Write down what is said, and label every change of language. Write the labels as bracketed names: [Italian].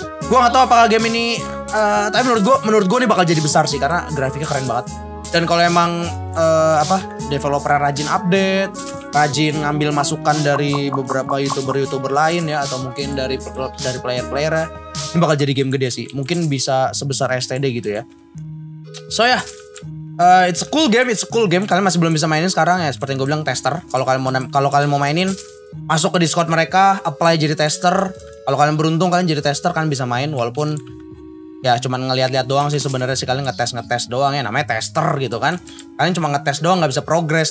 [Indonesian] Gua nggak tahu apakah game ini tapi menurut gua ini bakal jadi besar sih karena grafiknya keren banget. Dan kalau emang developer rajin update, rajin ngambil masukan dari beberapa youtuber-youtuber lain ya, atau mungkin dari player-playernya, ini bakal jadi game gede sih. Mungkin bisa sebesar STD gitu ya. [English] So ya, yeah, it's a cool game. [Indonesian] Kalian masih belum bisa mainin sekarang ya, seperti yang gue bilang tester. Kalau kalian mau mainin, masuk ke Discord mereka, apply jadi tester. Kalau kalian beruntung kalian jadi tester, kalian bisa main walaupun ya cuman ngeliat-liat doang sih sebenarnya sih. Kalian ngetes doang ya, namanya tester gitu kan. Kalian cuma ngetes doang nggak bisa progres.